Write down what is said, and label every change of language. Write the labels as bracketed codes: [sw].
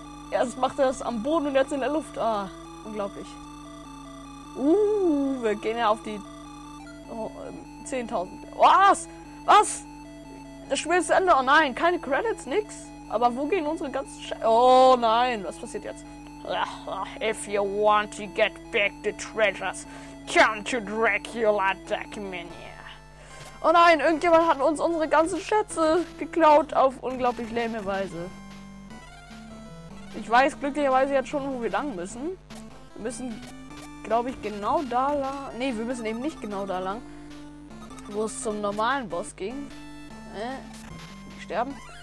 [de] Erst macht er das am Boden und jetzt in der Luft. Ah, unglaublich. Wir gehen ja auf die 10.000. Was? Das Spiel ist zu Ende. Oh nein, keine Credits, nix. Aber wo gehen unsere ganzen Oh nein, was passiert jetzt? [en] If you want to get back the treasures, come to Dracula Dachmania. [de] Oh nein, irgendjemand hat uns unsere ganzen Schätze geklaut auf unglaublich lähme Weise. Ich weiß glücklicherweise jetzt schon, wo wir lang müssen. Wir müssen, glaube ich, genau da lang. Ne, wir müssen eben nicht genau da lang, wo es zum normalen Boss ging. Sterben.